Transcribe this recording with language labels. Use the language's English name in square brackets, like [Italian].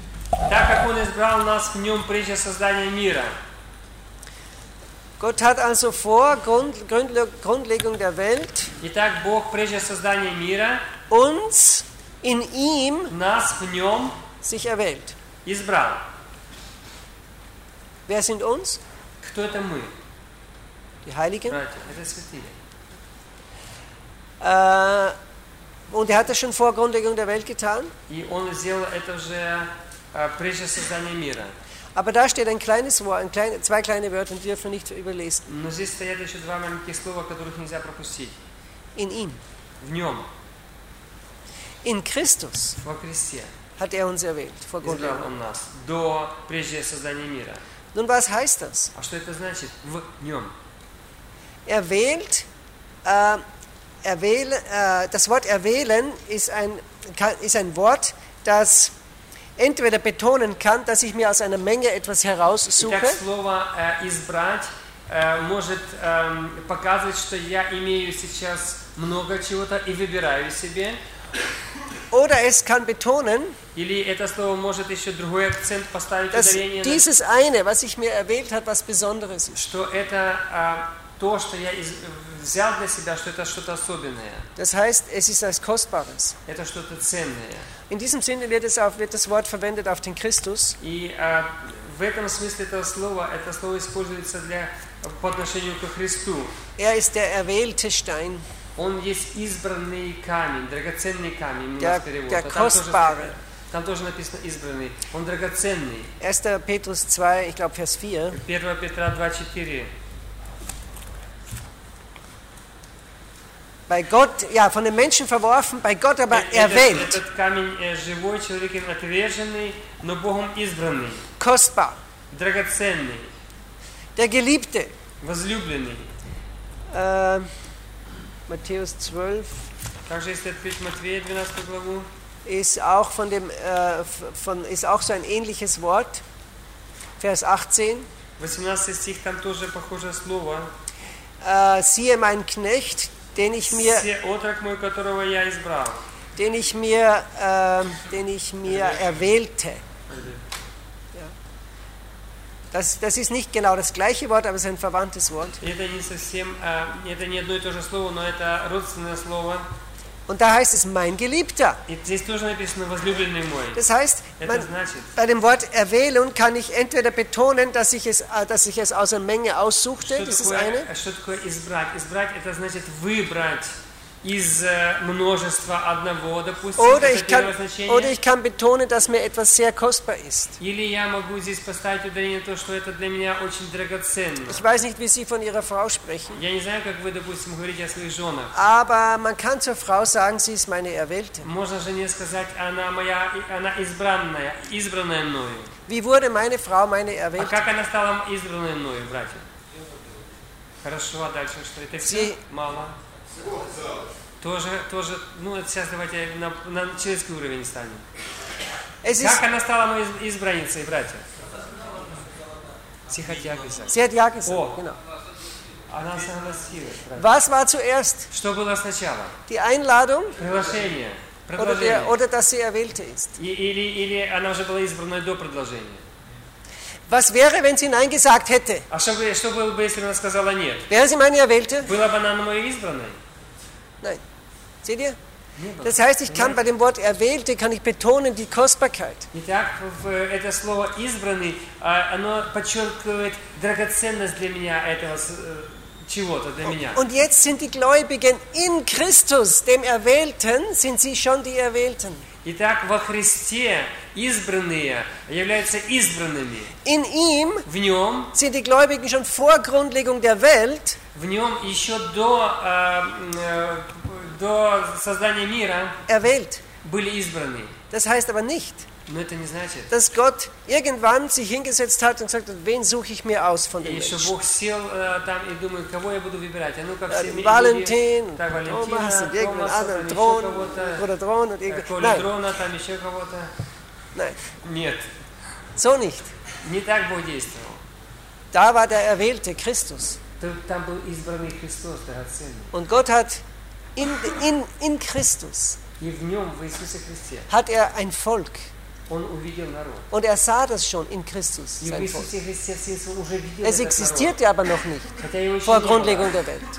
[Russian] Так как он избрал нас в нем прежде создания мира. [German] Gott hat also vor Grundlegung der Welt. [Russian] Итак, Бог прежде создания мира. [German] Uns in ihm. [Russian] Нас в нем. [German] Sich erwählt. [Russian] Избрал. [German] Wer sind uns? [Russian] Кто это мы? [German] Die Heiligen? [Russian] Это святые. [German] Und hat das schon vor Grundlegung der Welt getan? [Russian] И он сделал это уже прежде создания мира. [German] Aber da steht ein kleines Wort, zwei kleine Wörter, die dürfen nicht überlesen. [Russian] Но здесь стоят еще два маленьких слова, которых нельзя пропустить. [German] In ihm. [Russian] В нем. [German] In Christus. [Russian] Во Христе. [German] Hat er uns erwählt vor Grundlegung. [Russian] Избрал он нас до прежде создания мира. [German] Nun, was heißt das? [Russian] А что это значит? В нем. [German] Erwählt, das Wort erwählen ist ein Wort, das entweder betonen kann, dass ich mir aus einer Menge etwas heraussuche. [Russian] Итак, слово избрать может показывать, что я имею сейчас много чего-то и выбираю себе. [German] Oder es kann betonen, [Russian] или это слово может еще другой акцент поставить ударение, [German] dieses eine, was ich mir erwählt hat, was Besonderes ist. [Russian] Что это то, что я взял для себя, что это что-то особенное. [German] Das heißt, es ist etwas Kostbares. [Russian] Это что-то ценное. [German] In diesem Sinne wird es auch wird das Wort verwendet auf den Christus. [Russian] И в этом смысле это слово используется для по отношению к Христу. [German] Er ist der erwählte Stein. [Russian] Он есть избранный камень, драгоценный камень. [German] Der, der kostbare. [Russian] Там тоже написано избранный. Он драгоценный. [German] 1 Петрус 2, ich glaube Vers 4. [Russian] 1 Петра 2:4. [German] Bei Gott, ja, von den Menschen verworfen, bei Gott aber erwählt. [Russian] Этот камень живой, человеком отверженный, но Богом избранный. [German] Kostbar. [Russian] Драгоценный. [German] Der Geliebte. [Russian] Возлюбленный. [German] Matthäus 12. [Russian] Как же это пишет Матфея 12 главу? [German] Ist auch von dem von ist auch so ein ähnliches Wort. Vers 18. [Russian] 18 стих, там тоже похожее слово. [German] Siehe mein Knecht, den ich mir den ich mir erwählte. Ja. Das ist nicht genau das gleiche Wort, aber es ist ein verwandtes Wort. [Russian] Это не совсем, это не одно и то же слово, но это родственное слово. [German] Und da heißt es mein Geliebter. [Russian] Здесь тоже написано возлюбленный мой. [German] Das heißt, bei dem Wort erwählen kann ich entweder betonen, dass ich es aus einer Menge aussuchte. Das ist eine. [Russian] Что такое избрать? Избрать это значит выбрать из множества одного, допустим. [German] Oder ich kann betonen, dass mir etwas sehr kostbar ist. [Russian] Или я могу здесь поставить ударение на то, что это для меня очень драгоценно. [German] Ich weiß nicht, wie Sie von Ihrer Frau sprechen. [Russian] Я не знаю, как вы, допустим, говорите о своих жёнах. [German] Aber man kann zur Frau sagen, sie ist meine Erwählte. [Russian] Можно жене сказать, она моя, она избранная, избранная мною. [German] Wie wurde meine Frau meine Erwählte? [Russian] А как она стала избранной мною, братья? Хорошо, дальше что? Это все? Мало. Тоже, ну сейчас давайте на человеческий уровень станем. Как она стала моей избранницей, братья? [German] Sie hat ja gesagt. Sie hat ja gesagt. Oh, genau. [Russian] Она согласилась. [German] Was war zuerst? [Russian] Что было сначала? [German] Die Einladung? [Russian] Приглашение. [German] Oder dass sie erwählt ist. [Russian] Или она уже была избранной до предложения. [German] Was wäre, wenn sie nein gesagt hätte? [Russian] А что было бы, если она сказала нет? [German] Wäre sie meine Erwählte? [Russian] Была бы она моей избранной? [German] Nein. Seht ihr? Das heißt, ich kann bei dem Wort Erwählte, kann ich betonen die Kostbarkeit. [Russian] Итак, это слово избранный, оно подчеркивает драгоценность для меня этого чего-то для меня. [German] Und jetzt sind die Gläubigen in Christus, dem Erwählten, sind sie schon die Erwählten. [Russian] Итак, во Христе избранные являются избранными. [German] In ihm [Russian] в нем [German] sind die Gläubigen schon vor Grundlegung der Welt. [Russian] В нем еще до создания мира [German] erwählt. [Russian] Были избраны. [German] Das heißt aber nicht, [Russian] но это не значит, [German] dass Gott irgendwann sich hingesetzt hat und gesagt hat, wen suche ich mir aus von den Menschen. [Russian] Бог сел там и думает, кого я буду выбирать. А ну как все Валентин, Томас, Дрон, [German] oder [Russian] Дрон [German] und irgendwie. [Russian] Дрона, там еще кого-то. [German] Nein. [Russian] Нет. [German] So nicht. [Russian] Не так Бог действовал. [German] Da war der Erwählte, Christus. [Russian] Там был избранный Христос, драгоценный. [German] Und Gott hat in Christus [Russian] и в нем, в Иисусе Христе, [German] hat er ein Volk. [Russian] Он увидел народ. [German] Und er sah das schon in Christus, [Russian] и [German] sein Volk. [Russian] Христе, уже видел [German] es existierte [Russian] народ. [German] Aber noch nicht vor Grundlegung der Welt.